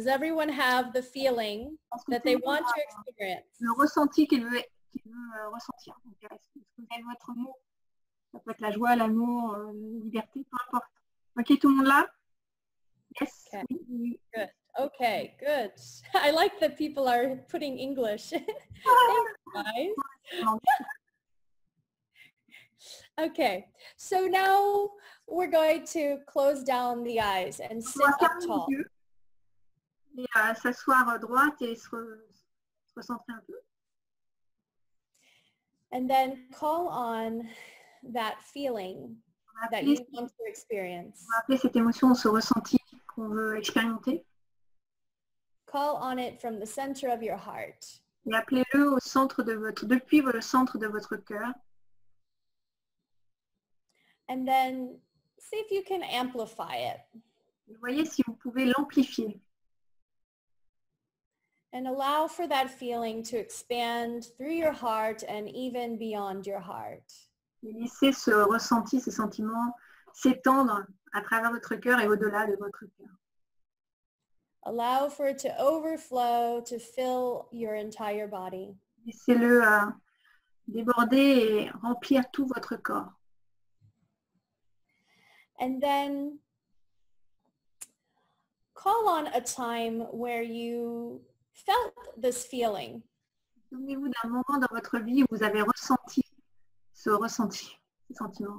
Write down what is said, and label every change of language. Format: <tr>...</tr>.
<en>Does everyone have the feeling that they want to experience?</en> <fr>Le ressenti qu'il veut ressentir. Donc, est-ce que vous avez votre mot? Ça peut être la joie, l'amour, la liberté, peu importe. Ok, tout le monde là?</fr> <en>Yes. Okay. Good. Okay, good. I like that people are putting English. Thanks, okay, so now we're going to close down the eyes and sit up tall.</en> <fr>Et s'asseoir droite et se recentrer un peu.</fr> <en>And then call on that feeling that you want to experience.</en> <fr>On va appeler cette émotion, ce ressenti qu'on veut expérimenter.</fr> <en>Call on it from the center of your heart.</en> <fr>Et appelez-le au centre de votre, depuis le centre de votre cœur.</fr> <en>And then see if you can amplify it.</en> <fr>Vous voyez si vous pouvez l'amplifier.</fr> <en>And allow for that feeling to expand through your heart and even beyond your heart.</en> <fr>Et laissez ce ressenti, ce sentiment s'étendre à travers votre cœur et au-delà de votre cœur.</fr> <en>Allow for it to overflow, to fill your entire body.</en> <fr>Laissez-le déborder et remplir tout votre corps.</fr> <en>And then call on a time where you felt this feeling.</en> <fr>Souvenez-vous d'un moment dans votre vie où vous avez ressenti ce ressenti, ce sentiment.</fr>